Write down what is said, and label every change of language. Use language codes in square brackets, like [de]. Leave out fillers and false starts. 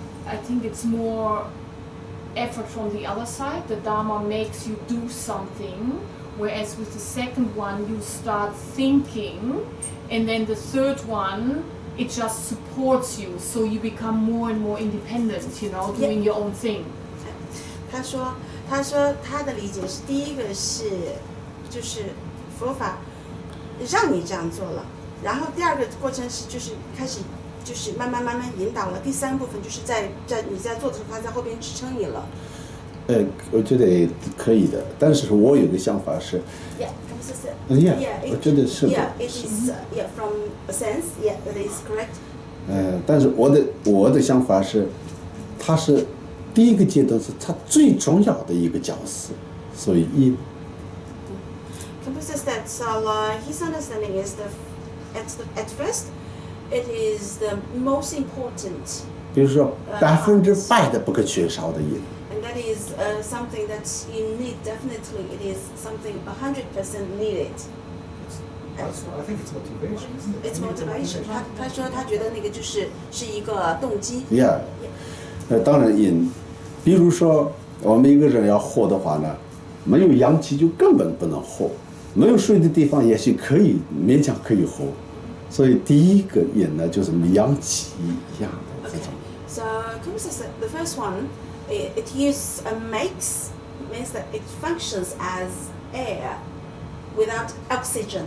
[en] I think it's more effort from the other side. The Dharma makes you do something, whereas with the second one, you start thinking, and then the third one, it just supports you, so you become more and more independent, you know, doing your own thing. [zh] 他说他的理解是第一个是就是佛法让你这样做了，然后第二个过程是就是开始就是慢慢慢慢引导了，第三部分就是在你在做的时候他在后边支撑你了。我觉得可以的，但是我有个想法是 [en] yeah, [zh] 我觉得是 [en] yeah, it is, yeah, from a sense, yeah, that is correct. [zh] 但是我的想法是他是第一个阶段是他最重要的一个角色，所以一 [en] Khenpo says that his understanding is at first it is the most important, [zh] 比如说80%的不可缺少的因， [en] and that is something that you need definitely, it is something 100% needed. I think it's motivation. It's motivation. [zh] 他说他觉得那个就是是一个动机。 [en] Yeah. [zh] 当然因，比如说我们一个人要活的话呢，没有阳气就根本不能活，没有睡的地方也许可以勉强可以活，所以第一个因呢就是阳气一样的这种。 [en] Okay. So Khenpo says the first one. It means that it functions as air without oxygen.